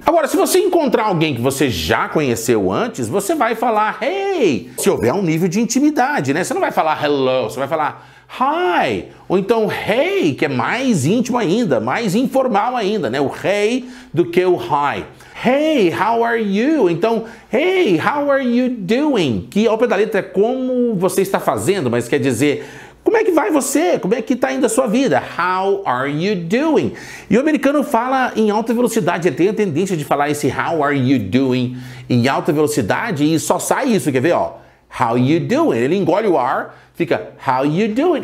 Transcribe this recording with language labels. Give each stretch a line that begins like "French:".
Portuguese: Agora, se você encontrar alguém que você já conheceu antes, você vai falar hey. Se houver um nível de intimidade, né? Você não vai falar hello, você vai falar hi. Ou então hey, que é mais íntimo ainda, mais informal ainda, né? O hey do que o hi.
English: Hey, how are you? Então, hey, how are you doing?
Portuguese: Que ao pé da letra é como você está fazendo, mas quer dizer, como é que vai você? Como é que está indo a sua vida?
English: How are you doing?
Portuguese: E o americano fala em alta velocidade. Ele tem a tendência de falar esse
English: how are you doing
Portuguese: em alta velocidade e só sai isso, quer ver? Ó,
English: how you doing?
Portuguese: Ele engole o ar, fica
English: how you doing?